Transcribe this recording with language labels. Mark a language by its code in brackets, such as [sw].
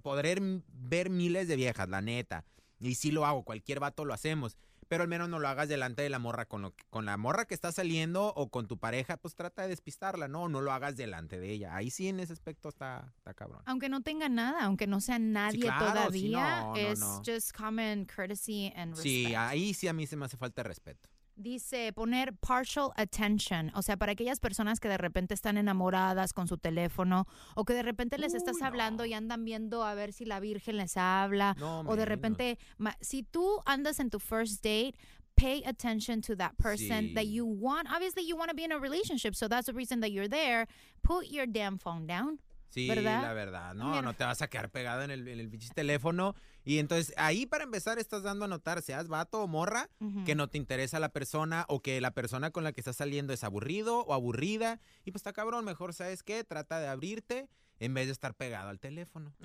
[es] Podré ver miles de viejas, la neta, y sí lo hago, cualquier vato lo hacemos, pero al menos no lo hagas delante de la morra con la morra que está saliendo o con tu pareja, pues trata de despistarla, ¿no? No lo hagas delante de ella. Ahí sí, en ese aspecto está cabrón. Aunque no tenga nada, aunque no sea nadie, sí, claro, todavía, es [en] just common courtesy and respect. [es] Sí, ahí sí a mí se me hace falta de respeto. Dice, poner partial attention, o sea, para aquellas personas que de repente están enamoradas con su teléfono o que de repente les estás hablando y andan viendo a ver si la Virgen les habla, o de repente, si tú andas en tu first date, [en] pay attention to that person that you want. Obviously, you want to be in a relationship, so that's the reason that you're there. Put your damn phone down. [es] Sí, ¿verdad? La verdad, no te vas a quedar pegado en el bicho teléfono. Y entonces, ahí para empezar estás dando a notar, seas vato o morra, uh-huh, que no te interesa la persona o que la persona con la que estás saliendo es aburrido o aburrida. Y pues está cabrón, mejor, ¿sabes qué? Trata de abrirte en vez de estar pegado al teléfono.